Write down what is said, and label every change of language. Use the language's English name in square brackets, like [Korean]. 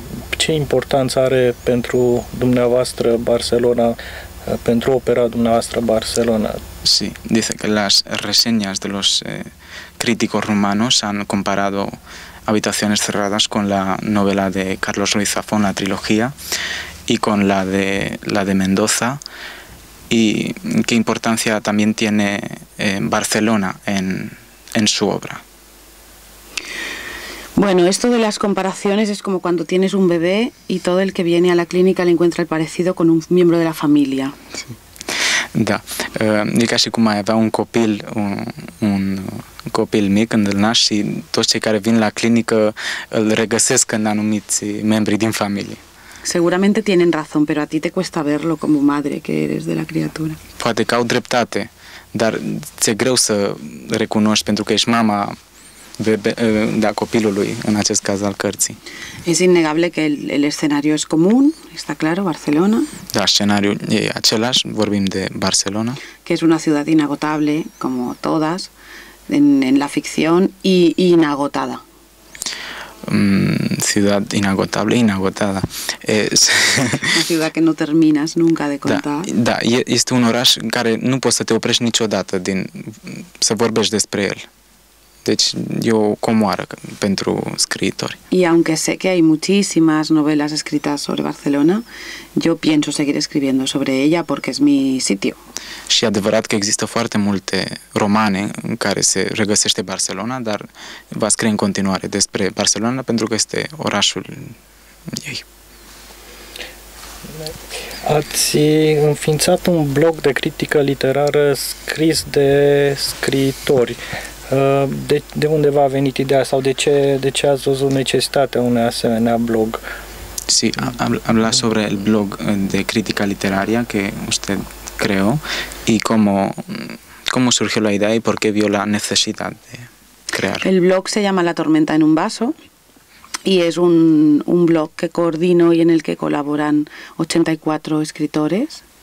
[Romanian] Ce importanță are pentru dumneavoastră Barcelona, pentru opera dumneavoastră Barcelona? [Spanish] Sí, dice que las reseñas de los críticos rumanos han comparado Habitaciones cerradas con la novela de Carlos Ruiz Zafón, la trilogía, y con la de Mendoza. ¿Y qué importancia también tiene Barcelona en su obra? Bueno, esto de las comparaciones es como cuando tienes un bebé y todo el que viene a la clínica le encuentra el parecido con un miembro de la familia. Sí. [Romanian] Da, e ca și cum ai avea un copil, un copil mic când îl naști și toți cei care vin la clinică îl regăsesc în anumiți membri din familie. [Spanish] Seguramente tienen razón, pero a ti te cuesta verlo como madre que eres de la criatura. [Romanian] Poate că au dreptate, dar ți-e greu să recunoști pentru că ești mama de copilului, în acest caz al cărții. [Spanish] Es innegable que el escenario es común, está claro, Barcelona. [Romanian] Da, scenariul e același, vorbim de Barcelona. [Spanish] Que es una ciudad inagotable, como todas, en la ficción, y inagotada. Ciudad inagotable, inagotada. Una ciudad que no terminas nunca de contar. [Romanian] Da, este un oraș în care nu poți să te oprești niciodată din să vorbești despre el. Deci e o comoară pentru scriitori. [Spanish] Y aunque sé que hay muchísimas novelas escritas sobre Barcelona, yo pienso seguir escribiendo sobre ella porque es mi sitio. [Romanian] Și e adevărat că există foarte multe romane în care se regăsește Barcelona, dar va scrie în continuare despre Barcelona pentru că este orașul ei. Ați înființat un blog de critică literară scris de scriitori. De unde v-a venit ideea sau de ce ați văzut necesitatea unui asemenea blog? [Spanish] Sí, habla sobre el blog de crítica literaria que usted creó y cómo surgió la idea y por qué vio la necesidad de crear. El blog se llama La tormenta en un vaso y es un blog que coordino y en el que colaboran 84 escritores.